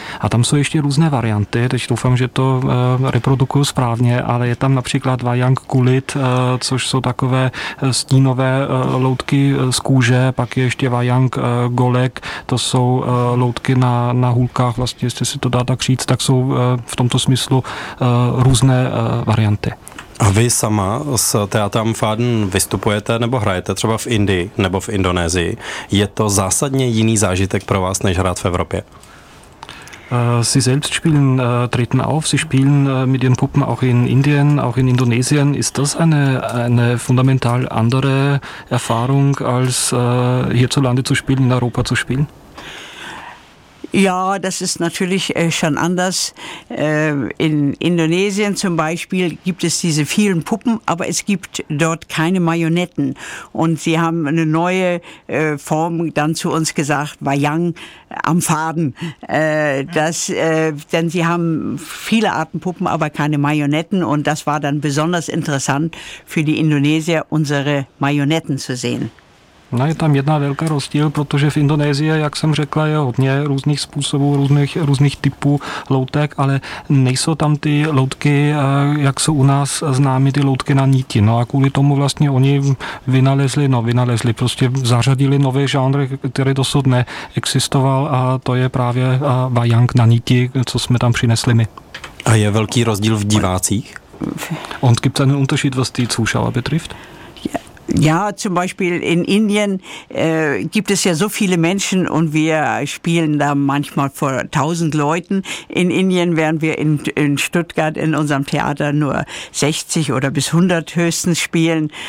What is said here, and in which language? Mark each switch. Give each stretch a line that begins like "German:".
Czech: A tam jsou ještě různé varianty, teď doufám, že to reprodukuju správně, ale je tam například Wayang Kulit, což jsou takové stínové loutky z kůže, pak je ještě Wayang Golek, to jsou loutky na hůlkách, vlastně, jestli se to dá tak říct, tak jsou v tomto smyslu různé varianty. A vy sama s Theater am Faden vystupujete nebo hrajete třeba v Indii nebo v Indonésii. Je to zásadně jiný zážitek pro vás, než hrát v Evropě?
German: Sie selbst spielen, treten auf, Sie spielen mit Ihren Puppen auch in Indien, auch in Indonesien. Ist das eine fundamental andere Erfahrung, als hierzulande zu spielen, in Europa zu spielen? Ja, das ist natürlich schon anders. In Indonesien zum Beispiel gibt es diese vielen Puppen, aber es gibt dort keine Marionetten. Und sie haben eine neue Form dann zu uns gesagt, Wayang am Faden. Denn sie haben viele Arten Puppen, aber keine Marionetten. Und das war dann besonders interessant für die Indonesier, unsere Marionetten zu sehen.
Czech: No, je tam jedna velká rozdíl, protože v Indonésii, jak jsem řekla, je hodně různých způsobů, různých typů loutek, ale nejsou tam ty loutky, jak jsou u nás známy ty loutky na níti. No a kvůli tomu vlastně oni vynalezli, prostě zařadili nový žánr, který dosud neexistoval, a to je právě vajang na níti, co jsme tam přinesli my. A je velký rozdíl v divácích?
German: Und gibt es einen Unterschied, was die Zuschauer betrifft? Ja, zum Beispiel in Indien gibt es ja so viele Menschen und wir spielen da manchmal vor 1000 Leuten. In Indien werden wir in Stuttgart in unserem Theater nur 60 oder bis 100 höchstens spielen.